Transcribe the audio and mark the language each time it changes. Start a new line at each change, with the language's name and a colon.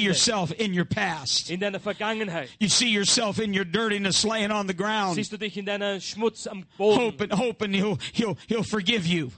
English: See yourself in your past.
German: In deiner Vergangenheit.
English: You see yourself in your dirtiness laying on the ground.
German: Siehst du dich in deiner Schmutz am Boden?
English: Hoping he'll forgive you.